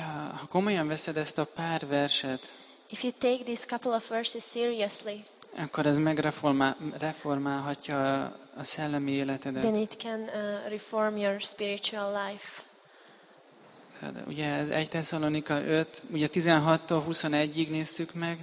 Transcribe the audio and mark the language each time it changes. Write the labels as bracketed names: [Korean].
[Hungarian] Ha komolyan veszed ezt a pár verset, [English] if you take these couple of verses seriously, [Hungarian] akkor ez megreformálhatja a szellemi életedet. [English] Then it can reform your spiritual life. [Hungarian] Ugye ez 1 Thessalonika 5, ugye 16-tól 21-ig néztük meg.